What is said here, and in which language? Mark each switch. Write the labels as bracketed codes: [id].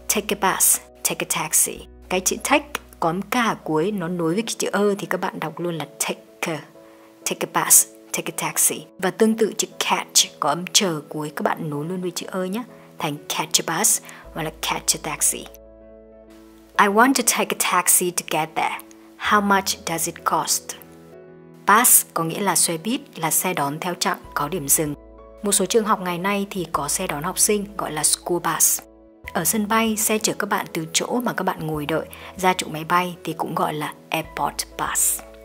[en] Take a bus, take a taxi. [vi] Cái chữ take có âm k ở cuối, nó nối với chữ thì các bạn đọc luôn là take. [en] Take a bus, take a taxi. [vi] Và tương tự chữ catch có âm chờ cuối, các bạn nối luôn với chữ nhé, thành [en] catch a bus [vi] hoặc là [en] catch a taxi. I want to take a taxi to get there. How much does it cost? [vi] Bus có nghĩa là xe buýt, là xe đón theo chặng, có điểm dừng. Một số trường học ngày nay thì có xe đón học sinh, gọi là school bus. Ở sân bay, xe chở các bạn từ chỗ mà các bạn ngồi đợi ra trụ máy bay thì cũng gọi là airport bus.